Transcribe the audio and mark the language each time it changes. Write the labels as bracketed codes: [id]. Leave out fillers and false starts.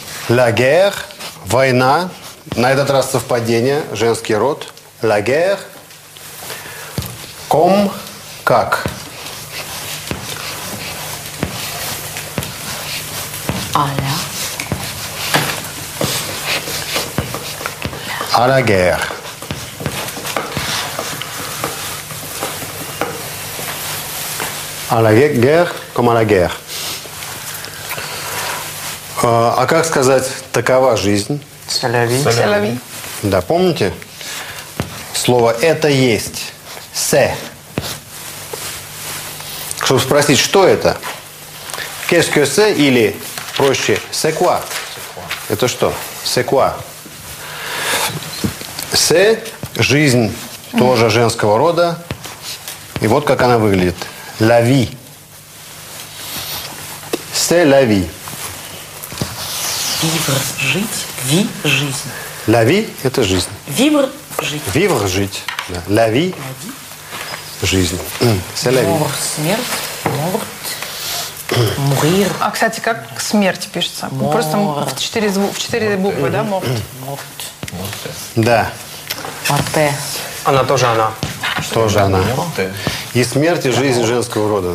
[fr] «La guerre», «война». [ru] На этот раз совпадение, женский род. [fr] La guerre. Comme, как. A la. A la guerre. A la guerre, comme à la guerre. [ru] А как сказать, такова жизнь? Саляви. Саляви. Да, помните? Слово «это есть». «Се». Чтобы спросить, что это? [fr] «Qu'est-ce que c'est?» [ru] Или проще [fr] «c'est quoi?» [ru] Это что? [fr] «C'est quoi?» [ru] «Се» – жизнь тоже женского рода. И вот как она выглядит. «La vie». [fr] «C'est la vie». [ru] «Vivre» – жить. Ви – жизнь. La vie – это жизнь. [fr] Vivre – жить. Vivre – жить. Да. La vie – жизнь. C'est la vie. Mort – смерть. Mort – mourir. [ru] А, кстати, как смерть пишется? [fr] Mort. [ru] Просто в четыре буквы, да? [fr] Mort. Mort. [ru] Да. [fr] Morte. [ru] Она тоже она. Тоже она. И смерть, и жизнь женского рода.